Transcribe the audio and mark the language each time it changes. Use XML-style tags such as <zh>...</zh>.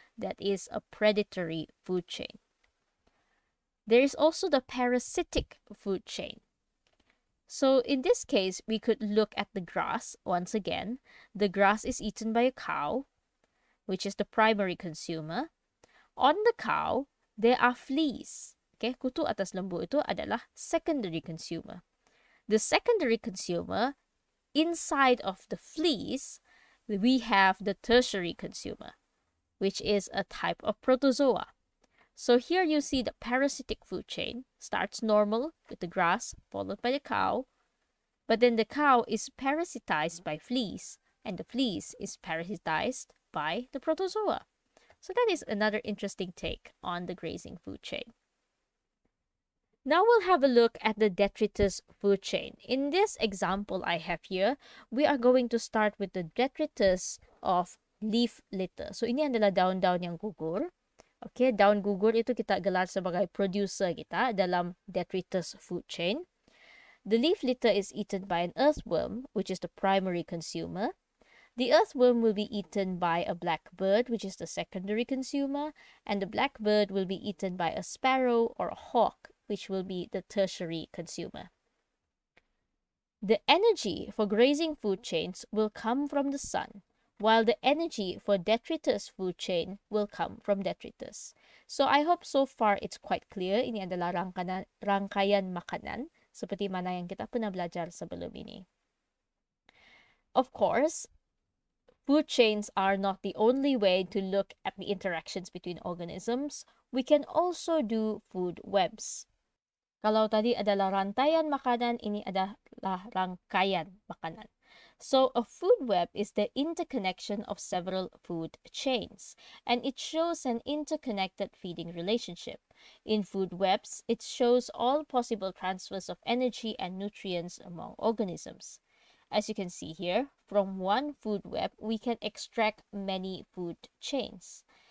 <en>That is a predatory food chain. There is also the parasitic food chain. So in this case, we could look at the grass once again. The grass is eaten by a cow, which is the primary consumer. On the cow, there are fleas.</en> <ms>Okay, kutu atas lembu itu adalah secondary consumer.</ms> <en>The secondary consumer, inside of the fleas, we have the tertiary consumer, which is a type of protozoa. So here you see the parasitic food chain starts normal with the grass followed by the cow, but then the cow is parasitized by fleas and the fleas is parasitized by the protozoa. So that is another interesting take on the grazing food chain. Now we'll have a look at the detritus food chain. In this example I have here, we are going to start with the detritus of leaf litter.</en> <ms>So ini adalah daun-daun yang gugur. Okay, daun gugur itu kita gelar sebagai producer kita dalam detritus food chain.</ms> <en>The leaf litter is eaten by an earthworm, which is the primary consumer. The earthworm will be eaten by a blackbird, which is the secondary consumer. And the blackbird will be eaten by a sparrow or a hawk, which will be the tertiary consumer. The energy for grazing food chains will come from the sun, while the energy for detritus food chain will come from detritus. So I hope so far it's quite clear.</en> <ms>Ini adalah rangkaian makanan, seperti mana yang kita pernah belajar sebelum ini.</ms> <en>Of course, food chains are not the only way to look at the interactions between organisms. We can also do food webs.</en> <ms>Kalau tadi adalah rantaian makanan, ini adalah rangkaian makanan.</ms> <en>So, a food web is the interconnection of several food chains, and it shows an interconnected feeding relationship. In food webs, it shows all possible transfers of energy and nutrients among organisms. As you can see here, from one food web, we can extract many food chains.</en>